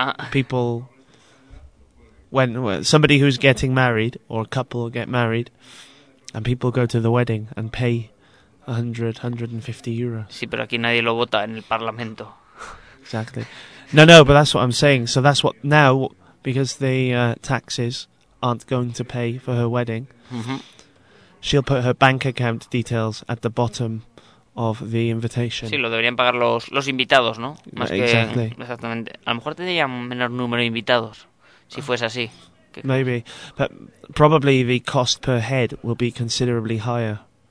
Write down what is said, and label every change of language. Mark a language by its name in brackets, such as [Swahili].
[English] People, when somebody who's getting married, or a couple get married, and people go to the wedding and pay 150 euros. [Spanish] Sí, pero aquí nadie lo vota en el Parlamento. [English] Exactly. No, but that's what I'm saying. So that's what, now, because the taxes aren't going to pay for her wedding, she'll put her bank account details at the bottom of the invitation. [Spanish] Sí, lo deberían pagar los invitados, ¿no? [English] Más exactly. [Spanish] Que, exactamente. A lo mejor tendrían menor número de invitados, si fuese así. [English] Maybe. But probably the cost per head will be considerably higher.